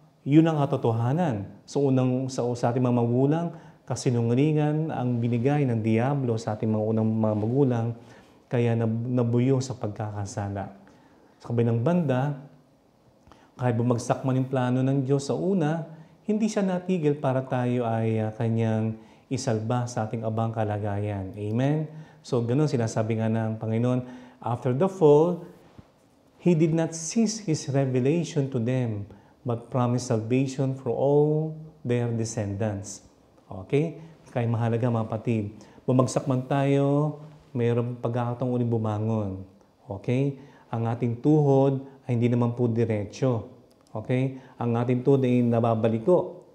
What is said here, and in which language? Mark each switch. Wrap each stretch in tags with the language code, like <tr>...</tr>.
<tl>Yun ang katotohanan. So, unang sa ating mga magulang, kasinungalingan ang binigay ng Diablo sa ating mga unang mga magulang, kaya nabuyo sa pagkakasala. Sa kabilang banda, kahit bumagsak man yung plano ng Diyos sa una, hindi siya natigil para tayo ay kanyang isalba sa ating abang kalagayan. Amen? So, ganun sinasabi nga ng Panginoon,</tl> <en>after the fall, He did not cease His revelation to them, but promised salvation for all their descendants. Okay?</en> <tl>Kaya mahalaga mga patid, bumagsak man tayo, mayroong pagkakataong uling bumangon. Okay? Ang ating tuhod ay hindi naman po diretsyo. Okay? Ang ating tuhod ay nababaliko.</tl>